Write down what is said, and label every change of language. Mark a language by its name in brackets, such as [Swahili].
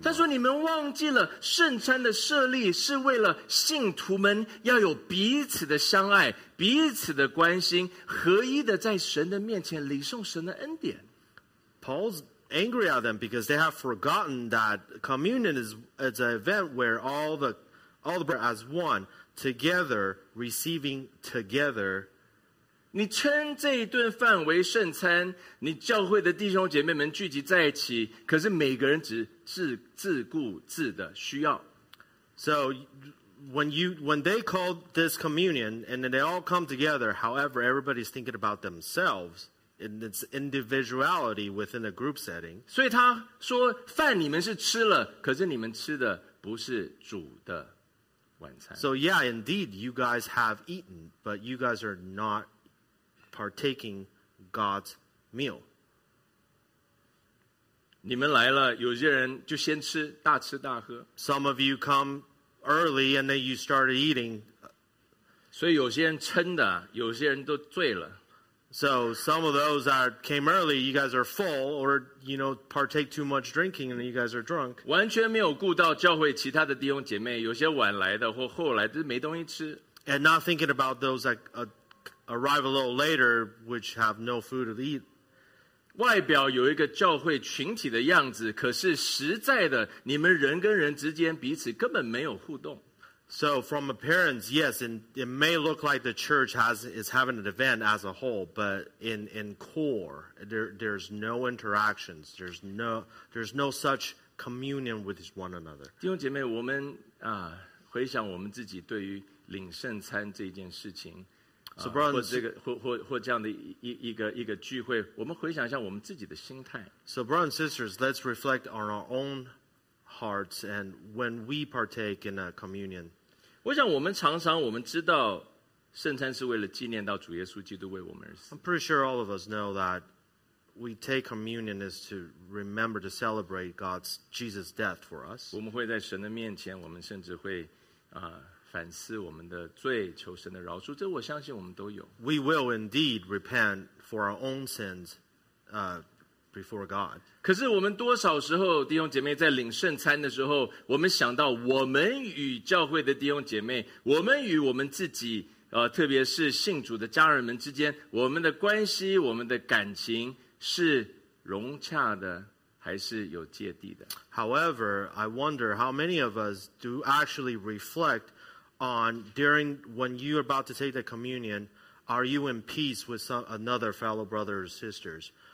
[Chinese] 他说你们忘记了圣餐的设立是为了信徒们要有彼此的相爱，彼此的关心，合一的在神的面前领受神的恩典。 [English] Paul's angry at them because they have forgotten that communion is an event where all the brothers as one together receiving together. [Chinese] 你称这一顿饭为圣餐，你教会的弟兄姐妹们聚集在一起，可是每个人只自顾自的需要。 [English] So when they call this communion and they all come together, however, everybody's thinking about themselves in its individuality within a group setting. [Chinese] 所以他说饭你们是吃了，可是你们吃的不是主的晚餐。 [English] So yeah, indeed, you guys have eaten, but you guys are not. Partaking God's meal. [Chinese] 你们来了，有些人就先吃，大吃大喝。 [English] Some of you come early and then you start eating. [Chinese] 所以有些人撑的，有些人都醉了。 [English] So some of those that came early, you guys are full, or you know, partake too much drinking, and you guys are drunk. [Chinese] 完全没有顾到教会其他的弟兄姐妹，有些晚来的或后来的没东西吃。 [English] And not thinking about those that arrive a little later, which have no food to eat. [Chinese] 外表有一个教会群体的样子，可是实在的，你们人跟人之间彼此根本没有互动。 [English] So from appearance, yes, and it may look like the church is having an event as a whole, but in core, there's no interactions, there's no such communion with one another. [Chinese] 弟兄姐妹，我们啊，回想我们自己对于领圣餐这件事情，啊，或这个或这样的一个聚会，我们回想一下我们自己的心态。 [English] So brothers and sisters, let's reflect on our own hearts and when we partake in a communion. [Chinese] 我想我们常常我们知道圣餐是为了纪念到主耶稣基督为我们而死。 [English] I'm pretty sure all of us know that we take communion is to remember to celebrate Jesus' death for us. [Chinese] 我们会在神的面前，我们甚至会反思我们的罪，求神的饶恕，这我相信我们都有。 [English] We will indeed repent for our own sins before God. [Chinese] 可是我们多少时候，弟兄姐妹在领圣餐的时候，我们想到我们与教会的弟兄姐妹，我们与我们自己，特别是信主的家人们之间，我们的关系，我们的感情是融洽的，还是有芥蒂的？ [English] However, I wonder how many of us do actually reflect on during when you are about to take the communion, are you in peace with another fellow brother or sisters?